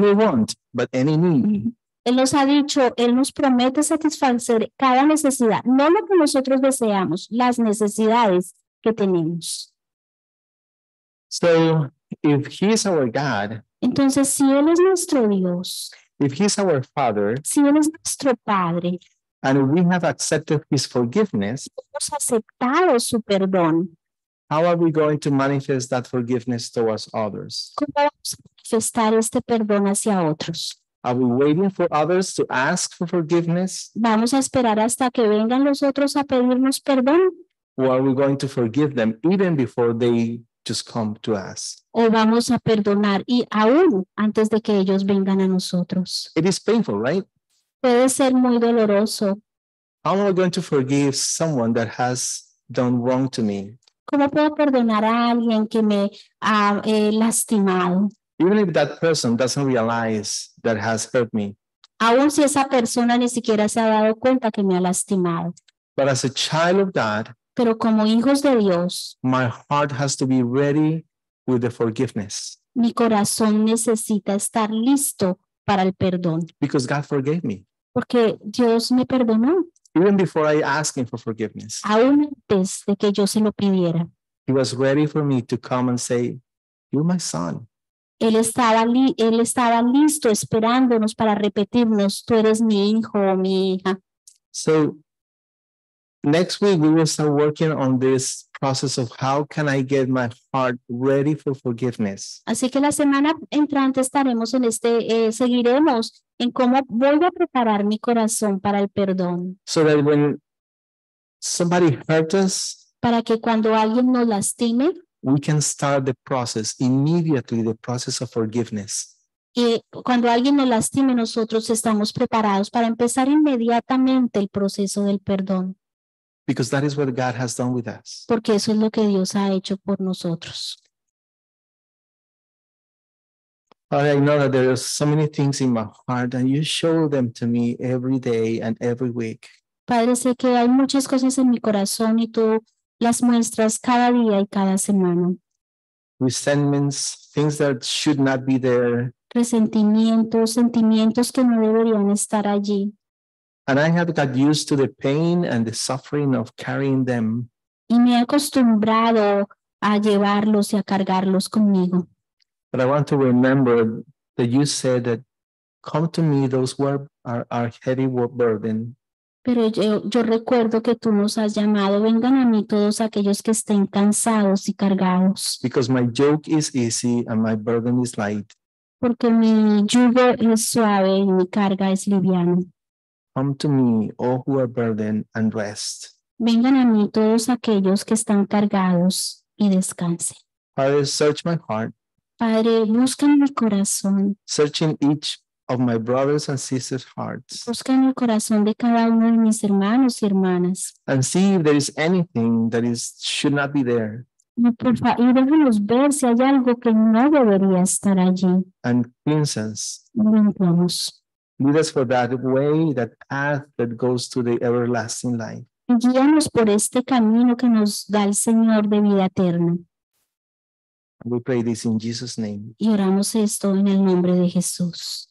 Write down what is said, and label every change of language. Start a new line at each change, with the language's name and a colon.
English: Not any want, but any need.
Spanish: Él nos ha dicho, Él nos promete satisfacer cada necesidad. No lo que nosotros deseamos, las necesidades que tenemos.
English: So, if He is our God.
Spanish: Entonces, si Él es nuestro Dios.
English: If He is our Father.
Spanish: Si Él es nuestro Padre.
English: And we have accepted His forgiveness.
Spanish: Hemos aceptado su perdón.
English: How are we going to manifest that forgiveness towards others?
Spanish: ¿Cómo vamos a manifestar este perdón hacia otros?
English: Are we waiting for others to ask for forgiveness?
Spanish: ¿Vamos a esperar hasta que vengan los otros a pedirnos perdón?
English: Or are we going to forgive them even before they just come to us?
Spanish: ¿O vamos a perdonar y aún antes de que ellos vengan a nosotros?
English: It is painful, right?
Spanish: Puede ser muy doloroso.
English: How am I going to forgive someone that has done wrong to me?
Spanish: ¿Cómo puedo perdonar a alguien que me ha lastimado?
English: Even if that person doesn't realize that has hurt me.
Spanish: Aún si esa persona ni siquiera se ha dado cuenta que me ha lastimado.
English: But as a child of God.
Spanish: Pero como hijos de Dios.
English: My heart has to be ready with the forgiveness.
Spanish: Mi corazón necesita estar listo para el perdón.
English: Because God forgave me.
Spanish: Porque Dios me perdonó.
English: Even before I asked Him for forgiveness.
Spanish: Aún antes de que yo se lo pidiera.
English: He was ready for me to come and say, "You're my son."
Spanish: Él estaba listo esperándonos para repetirnos, "Tú eres mi hijo o mi hija."
English: So, next week we will start working on this process of how can I get my heart ready for forgiveness.
Spanish: Así que la semana entrante estaremos en este, seguiremos en cómo voy a preparar mi corazón para el perdón.
English: So that when somebody hurts us,
Spanish: para que cuando alguien nos lastime,
English: we can start the process immediately, the process of forgiveness.
Spanish: Y cuando alguien nos lastime, nosotros estamos preparados para empezar inmediatamente el proceso del perdón.
English: Because that is what God has done with us.
Spanish: Porque eso es lo que Dios ha hecho por nosotros.
English: Father, I know that there are so many things in my heart and you show them to me every day and every week.
Spanish: Padre, sé que hay muchas cosas en mi corazón y tú las muestras cada día y cada semana.
English: Resentments, things that should not be there.
Spanish: Resentimientos, sentimientos que no deberían estar allí.
English: And I have got used to the pain and the suffering of carrying them.
Spanish: Y me he acostumbrado a llevarlos y a cargarlos conmigo.
English: But I want to remember that you said that, "Come to me, those who are heavy burden."
Spanish: Pero yo recuerdo que tú nos has llamado, vengan a mí todos aquellos que estén cansados y cargados.
English: Because my yoke is easy and my burden is light.
Spanish: Porque mi yugo es suave y mi carga es liviana.
English: Come to me, all who are burdened and rest.
Spanish: Vengan a mí todos aquellos que están cargados y descansen.
English: Father, search my heart.
Spanish: Padre, busquen mi corazón.
English: Searching each of my brothers and sisters' hearts.
Spanish: Busquen el corazón de cada uno de mis hermanos y hermanas.
English: And see if there is anything that is should not be there.
Spanish: Y déjenos ver si hay algo que no debería estar allí.
English: And cleanse us.
Spanish: Limpiamos.
English: Lead us for that way, that path that goes to the everlasting life.
Spanish: Guíanos por este camino que nos da el Señor de vida eterna.
English: We pray this in Jesus' name.
Spanish: Y oramos esto en el nombre de Jesús.